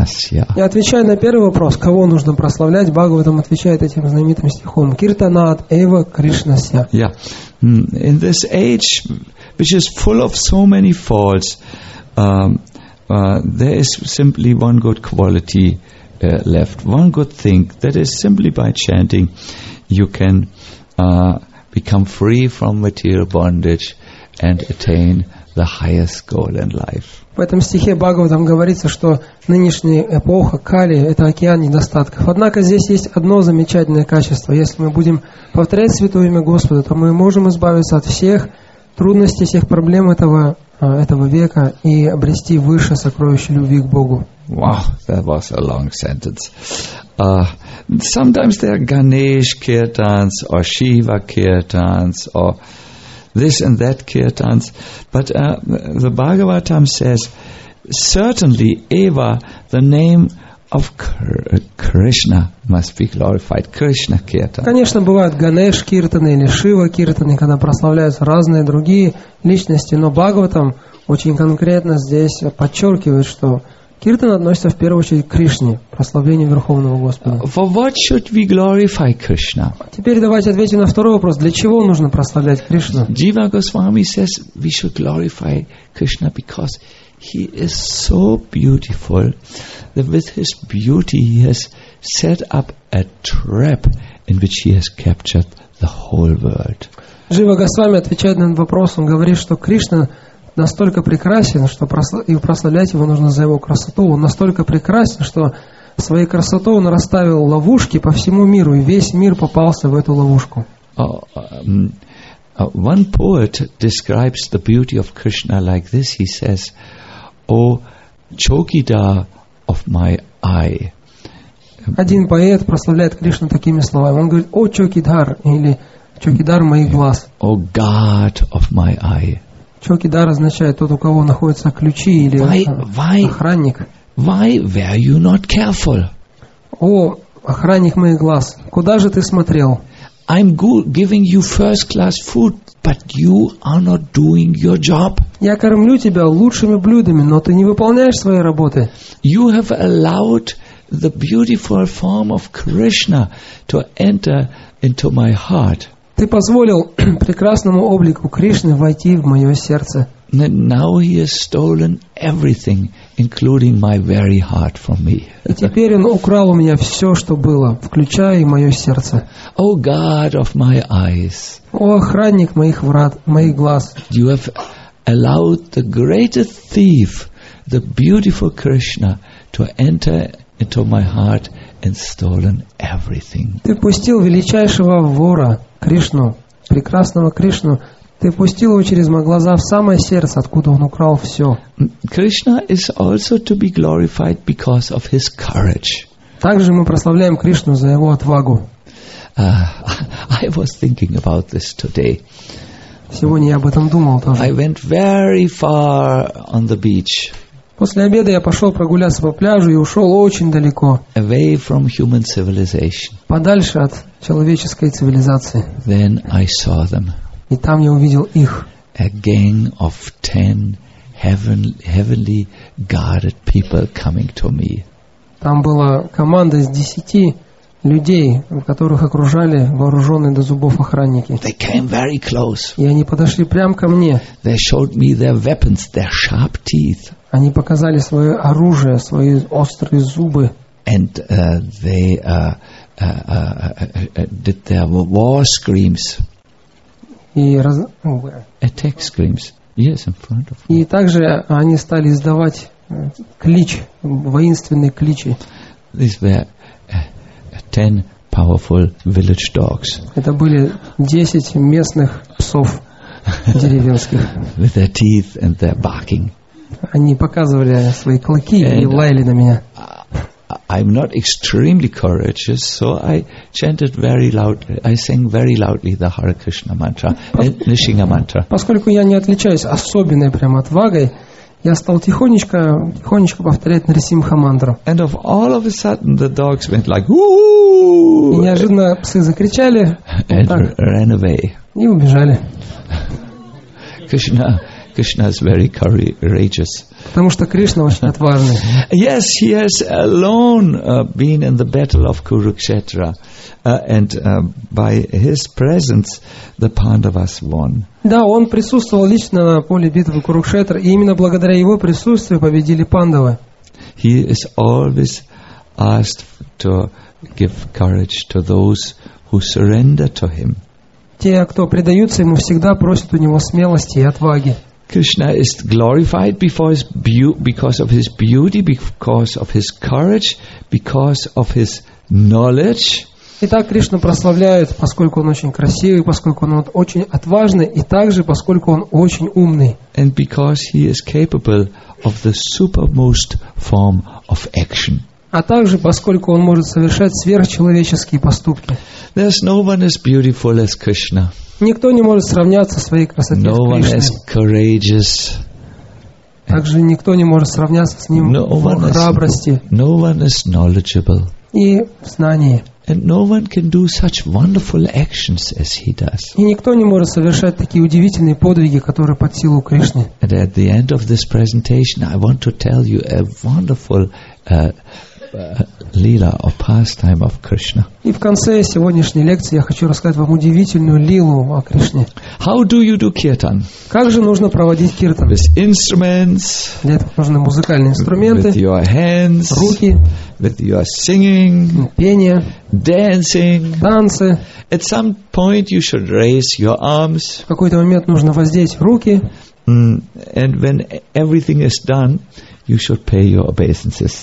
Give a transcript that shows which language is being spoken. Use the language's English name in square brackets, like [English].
[Russian] Я отвечаю на первый вопрос, кого нужно прославлять, Бхагаватам отвечает этим знаменитым стихом: [Sanskrit] Киртанат Эва Кришнасья. [English] Yeah. In this age, which is full of so many faults, there is simply one good quality left, one good thing, that is simply by chanting, you can become free from material bondage and attain the highest goal in life. [Russian] В этом стихе Бхагаватам говорится, что нынешняя эпоха Кали – это океан недостатков. Однако здесь есть одно замечательное качество. Если мы будем повторять Святое Имя Господа, то мы можем избавиться от всех трудностей, всех проблем этого века и обрести высшее сокровище любви к Богу. [English] Wow, that was a long sentence. Sometimes there are Ganesh kirtans, or Shiva kirtans, or this and that kirtans. But the Bhagavatam says, certainly Eva, the name of Krishna must be glorified. Krishna kirtan. [Russian] Конечно, бывают Ганеш киртаны или Шива киртаны, когда прославляются разные другие личности, но Бхагаватам очень конкретно здесь подчеркивает, что киртан относится в первую очередь к Кришне, прославлению Верховного Господа. [English] For what should we glorify Krishna? [Russian] Теперь давайте ответим на второй вопрос. Для чего нужно прославлять Кришну? [English] Jiva Goswami says we should glorify Krishna because He is so beautiful that with His beauty He has set up a trap in which He has captured the whole world. [Russian] Jiva Goswami отвечает на этот вопрос. Он говорит, что Кришна настолько прекрасен, что прославлять его нужно за его красоту. Он настолько прекрасен, что своей красотой он расставил ловушки по всему миру, и весь мир попался в эту ловушку. [English] One poet describes the beauty of Krishna like this. He says, "O chokidar of my eye." [Russian] Один поэт прославляет Кришну такими словами. Он говорит: "О чокидар, или чокидар моих глаз." [English] "O god of my eye." [Russian] Чокидар означает тот, у кого находятся ключи или охранник. [English] Why were you not careful? [Russian] О, охранник моих глаз, куда же ты смотрел? [English] I'm giving you first class food, but you are not doing your job. [Russian] Я кормлю тебя лучшими блюдами, но ты не выполняешь своей работы. [English] You have allowed the beautiful form of Krishna to enter into my heart. [Russian] Ты позволил прекрасному облику Кришны войти в мое сердце. [English] Now he has stolen everything, including my very heart from me. [Russian] И теперь он украл у меня все, что было, включая и мое сердце. [English] O God of my eyes. [Russian] О, охранник моих врат, моих глаз. [English] You have allowed the greatest thief, the beautiful Krishna, to enter into my heart and stolen everything. [Russian] Ты пустил величайшего вора, Кришну, прекрасного Кришну, ты пустил его через мои глаза в самое сердце, откуда он украл все. [English] Krishna is also to be glorified because of his courage. [Russian] Также мы прославляем Кришну за его отвагу. [English] I was thinking about this today. [Russian] Сегодня я об этом думал тоже. [English] I went very far on the beach. [Russian] После обеда я пошел прогуляться по пляжу и ушел очень далеко. [English] Away from human civilization. [Russian] Подальше от человеческой цивилизации. [English] Then I saw them. [Russian] И там я увидел их. [English] A gang of 10 heavenly guarded people coming to me. [Russian] Там была команда из 10 людей, которых окружали вооруженные до зубов охранники. [English] They came very close. [Russian] И они подошли прямо ко мне. [English] They showed me their weapons, their sharp teeth. [Russian] Они показали свое оружие, свои острые зубы. [English] And they did their war screams. Attack screams. Yes, in front of me. [Russian] И также они стали издавать клич, воинственные кличи. [English] These were 10 powerful village dogs. [Russian] Это были 10 местных псов деревенских. [English] With their teeth and their barking. [Russian] Они показывали свои клыки и лаяли на меня. [English] I'm not extremely courageous, so I chanted very loudly. I sang very loudly the Hare Krishna mantra, Nishinga mantra. [Russian] Поскольку я не отличаюсь особенной прям отвагой, я стал тихонечко, тихонечко повторять Нарисимха мантру. [English] And of all of a sudden, the dogs went like woo! [Russian] И неожиданно псы закричали [English] and ran away. [Russian] И убежали. [English] Krishna. Krishna is very courageous. [Russian] Потому что Кришна очень отважный. [English] Yes, he has alone been in the battle of Kurukshetra, and by his presence, the Pandavas won. [Russian] Да, он присутствовал лично на поле битвы Курукшетра, и именно благодаря его присутствию победили Пандавы. [English] He is always asked to give courage to those who surrender to him. [Russian] Те, кто предаются ему, всегда просят у него смелости и отваги. [English] Krishna is glorified because of his beauty, because of his courage, because of his knowledge. [Russian] Итак, Кришну прославляют, поскольку он очень красивый, поскольку он очень отважный, и также поскольку он очень умный. [English] And because he is capable of the supermost form of action. [Russian] а также поскольку он может совершать сверхчеловеческие поступки. [English] There's no one as beautiful as Krishna. [Russian] Никто не может сравняться своей красотой с Кришной. [English] No one as courageous. [Russian] Также никто не может сравняться с ним в храбрости. [English] No one is knowledgeable. [Russian] И в знании. [English] And no one can do such wonderful actions as he does. [Russian] И никто не может совершать такие удивительные подвиги, которые под силу Кришны. [English] And at the end of this presentation, I want to tell you a wonderful lila or pastime of Krishna. [Russian] И в конце сегодняшней лекции я хочу рассказать вам удивительную лилу о Кришне. [English] How do you do kirtan? [Russian] Как же нужно проводить киртан? [English] With instruments. [Russian] Для этого нужны музыкальные инструменты. [English] With your hands. [Russian] Руки. [English] With your singing. [Russian] Пение. [English] Dancing. [Russian] Танцы. [English] At some point you should raise your arms. [Russian] В какой-то момент нужно воздеть руки. [English] And when everything is done, you should pay your obeisances.